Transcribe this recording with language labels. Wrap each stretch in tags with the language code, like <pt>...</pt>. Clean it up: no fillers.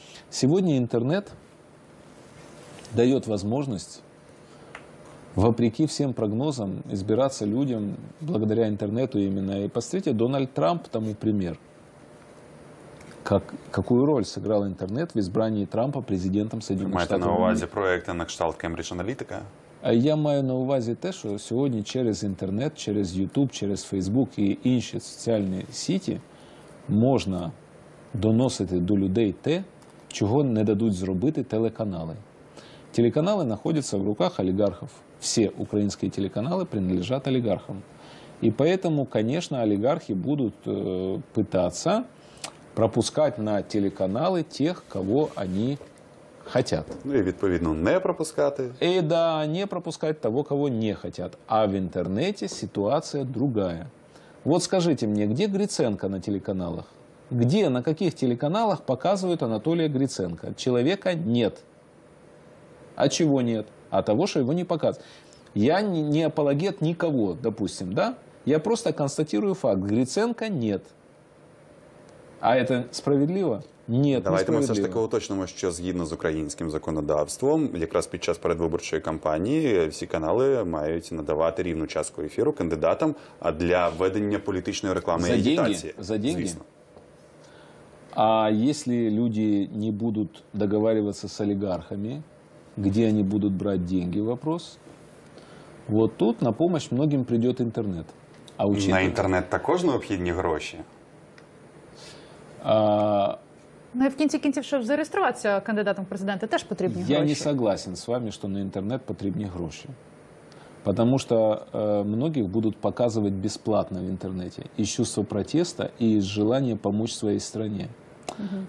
<ru>Сегодня интернет дает возможность, вопреки всем прогнозам, избираться людям благодаря интернету именно. И посмотрите, Дональд Трамп тому пример. Какую роль сыграл интернет в избрании Трампа президентом Соединенных Штатов Америки? Вы имеете на увазе проекты на кшталт Cambridge Analytica?</ru> <uk>Я маю на увазі те, що сьогодні через інтернет, через Ютуб, через Фейсбук і інші соціальні сіті можна доносити до людей те, чого не дадуть зробити телеканали. Телеканали знаходяться в руках олігархів. Всі українські телеканали приналежать олігархам. І тому, звісно, олігархи будуть питатися пропускати на телеканали тих, кого вони хотят. Ну и, відповідно, не пропускати.</uk> <ru>И да, не пропускать того, кого не хотят. А в интернете ситуация другая. Вот скажите мне, где Гриценко на телеканалах? Где, на каких телеканалах показывают Анатолия Гриценко? Человека нет. А чего нет? А того, что его не показывают. Я не апологет никого, допустим, да? Я просто констатирую факт. Гриценко нет. А это справедливо? Нет,</ru> <uk>давайте ми все ж таки уточнимо, що згідно з українським законодавством, якраз під час передвиборчої кампанії всі канали мають надавати рівну частку ефіру кандидатам для ведення політичної реклами за і агітації.</uk> <ru>За деньги? Звісно.</ru> <uk>А якщо люди не будуть договорюватися з олігархами, де вони будуть брати деньги, вопрос, от тут на допомогу многим прийде інтернет.</uk> <ru>А учитывая...</ru> <uk>На інтернет також необхідні гроші?</uk> <ru>Ну и в конце концов, чтобы зарегистрироваться кандидатом в президенты, тоже потребны гроши. Я не согласен с вами, что на интернет потребны гроши. Потому что многих будут показывать бесплатно в интернете. Из чувства протеста и из желания помочь своей стране. Угу.</ru>